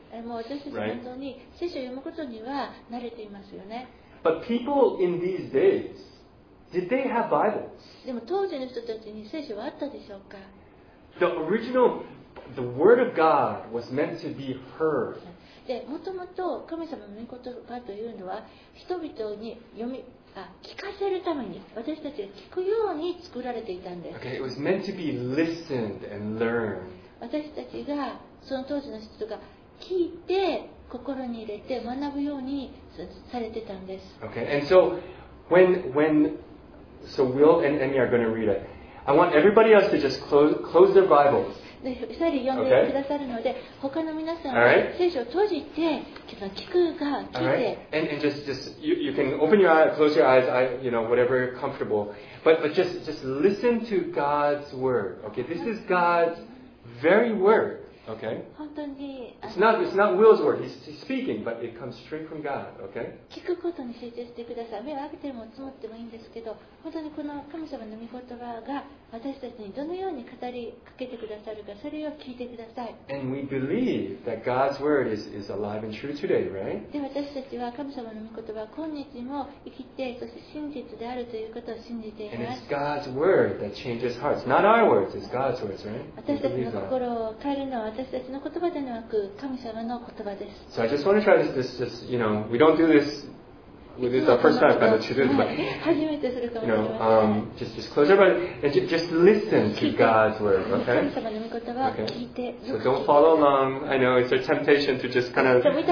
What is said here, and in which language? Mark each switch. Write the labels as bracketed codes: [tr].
[en] Right? But people in these days, did they have Bibles? The original, the Word of God was meant to be heard. [ja] もともと神様の御言葉というのは人々に聞かせるために私たちが聞くように作られていたんです。 [en] Okay, it was meant to be listened and learned. [ja] 私たちがその当時の人が聞いて心に入れて学ぶようにされてたんです。 [en] Okay, and so when Will and Emmy are going to read it, I want everybody else to just close their Bibles. [ja] で、二人読んでくださるので、 [en] okay. [ja] 他の皆さんは聖書を閉じて、聞くか聞いて。 [en] Right. And just you can open your eyes, close your eyes, I, you know, whatever you're comfortable. But just listen to God's word. Okay, this is God's very word. Okay. [ja] 本当に。 [en] It's not Will's word. He's speaking, but it comes straight from God. Okay. [ja] 聞くことに集中してください。目を開けてもつむってもいいんですけど、本当にこの神様の御言葉が私たちにどのように語りかけてくださるか、それを聞いてください。 [en] And we believe that God's word is alive and true today, right? [ja] で、私たちは神様の御言葉は今日も生きて、そして真実であるということを信じています。 [en] And it's God's word that changes hearts. Not our words, it's God's words, right? [ja] 私たちの心を変えるのは私たちの言葉ではなく、神様の言葉です。 [en] So I just want to try this, you know, we don't do this. Well, this is our first time kind of to do this, but, you know, just close your eyes and just listen to God's word, okay? Okay? So don't follow along. I know it's a temptation to just kind of, right?